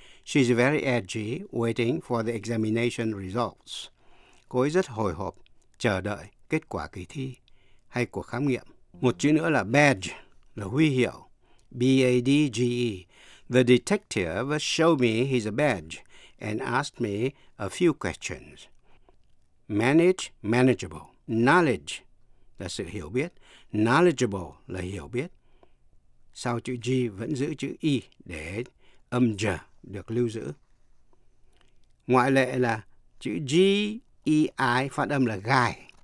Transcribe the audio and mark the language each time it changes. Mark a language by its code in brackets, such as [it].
[en] She's very edgy, waiting for the examination results. [vi] Cô ấy rất hồi hộp, chờ đợi kết quả kỳ thi hay cuộc khám nghiệm. Một chữ nữa là badge, là huy hiệu. [en] B-A-D-G-E. The detective showed me his badge and asked me a few questions. Manage, manageable. [vi] Knowledge là sự hiểu biết. Knowledgeable là hiểu biết. Sau chữ G vẫn giữ chữ I để âm J được lưu giữ. Ngoại lệ là chữ G-E-I phát âm là guy.